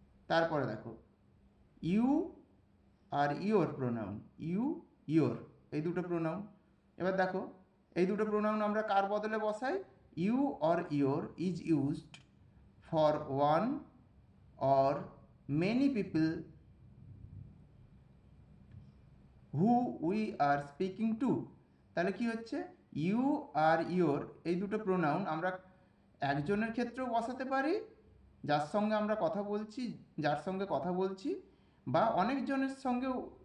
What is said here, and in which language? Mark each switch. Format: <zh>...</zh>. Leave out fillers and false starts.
<bn>তারপরে দেখো, you আর your pronoun, you your, এই দুটো প্রোনাউন। এবার দেখো এই দুটো প্রোনাউন আমরা কার বদলে বসাই?</bn> <en>You or your is used for one or many people who we are speaking to.</en> <bn>তাহলে কি হচ্ছে ইউ আর ইওর এই দুটো প্রোনাউন আমরা একজনের ক্ষেত্রেও বসাতে পারি যার সঙ্গে আমরা কথা বলছি যার সঙ্গে কথা বলছি বা অনেকজনের সঙ্গেও</bn>